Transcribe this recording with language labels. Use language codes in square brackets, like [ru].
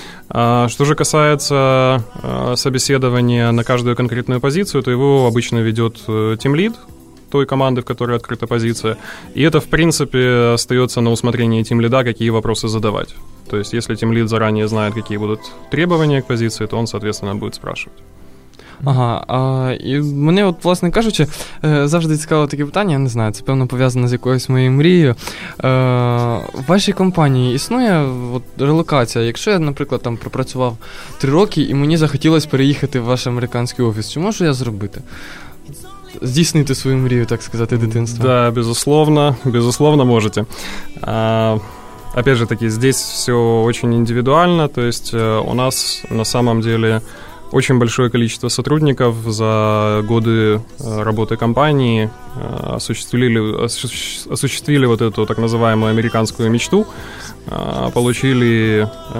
[ru] Что же касается собеседования на каждую конкретную позицию, то его обычно ведет Team Lead той команды, в которой открыта позиция. И это, в принципе, остается на усмотрении Team Lead, какие вопросы задавать. То есть если Team Lead заранее знает, какие будут требования к позиции, то он, соответственно, будет спрашивать. [uk] Ага, і мені, от, власне кажучи, завжди цікаво таке питання, я не знаю, це певно пов'язане з якоюсь моєю мрією. В вашій компанії існує от, релокація? Якщо я, наприклад, там пропрацював 3 роки, і мені захотілося переїхати в ваш американський офіс, чи можу я зробити? Здійснити свою мрію, так сказати, дитинства? [ru] Да, безусловно можете. Опять же таки, здесь все очень индивидуально, то есть у нас на самом деле... Очень большое количество сотрудников за годы работы компании осуществили вот эту так называемую американскую мечту, получили